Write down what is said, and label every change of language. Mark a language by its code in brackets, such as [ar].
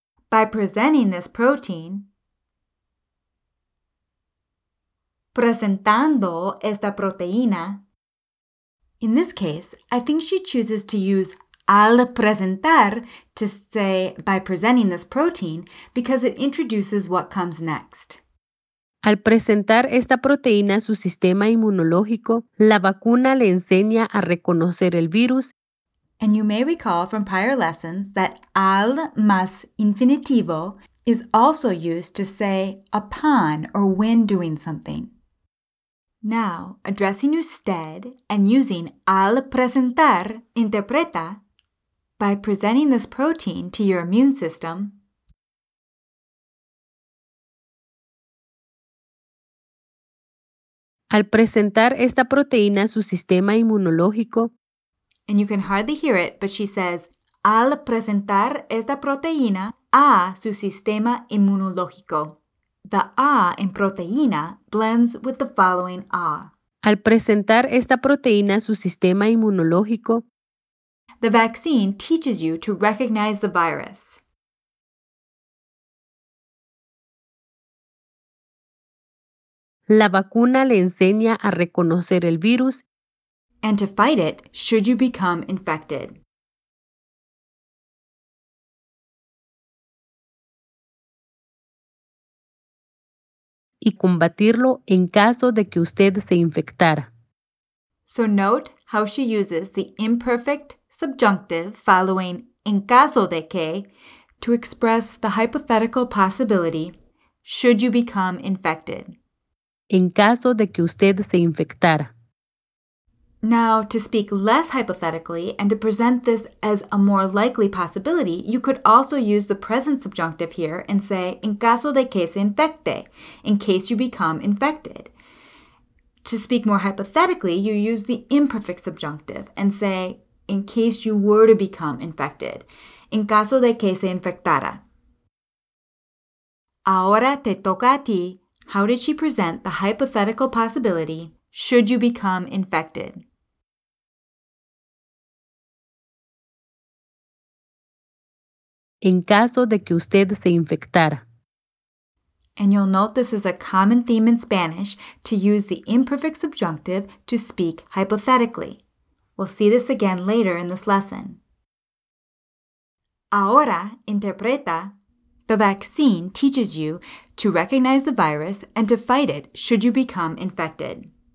[en] By presenting this protein, [es] presentando esta proteína. [en] In this case, I think she chooses to use [es] al presentar [en] to say by presenting this protein because it introduces what comes next. [es] Al presentar esta proteína a su sistema inmunológico, la vacuna le enseña a reconocer el virus. [en] And you may recall from prior lessons that [es] al más infinitivo [en] is also used to say upon or when doing something. Now, addressing usted and using al presentar, [es] interpreta, [en] by presenting this protein to your immune system, [es] al presentar esta proteína a su sistema inmunológico, [en] and you can hardly hear it, but she says, [es] al presentar esta proteína a su sistema inmunológico. [en] The a in proteína blends with the following a. [es] Al presentar esta proteína a su sistema inmunológico. [en] The vaccine teaches you to recognize the virus. [es] La vacuna le enseña a reconocer el virus. [en] And to fight it, should you become infected. [es] Y combatirlo en caso de que usted se infectara. [en] So note how she uses the imperfect subjunctive following [es] en caso de que [en] to express the hypothetical possibility, should you become infected. [es] En caso de que usted se infectara. [en] Now, to speak less hypothetically and to present this as a more likely possibility, you could also use the present subjunctive here and say, [es] en caso de que se infecte, [en] in case you become infected. To speak more hypothetically, you use the imperfect subjunctive and say, in case you were to become infected. [es] En caso de que se infectara. Ahora te toca a ti. [en] How did she present the hypothetical possibility should you become infected? [es] En caso de que usted se infectara. [en] And you'll note this is a common theme in Spanish to use the imperfect subjunctive to speak hypothetically. We'll see this again later in this lesson. [es] Ahora, interpreta, [en] the vaccine teaches you to recognize the virus and to fight it should you become infected.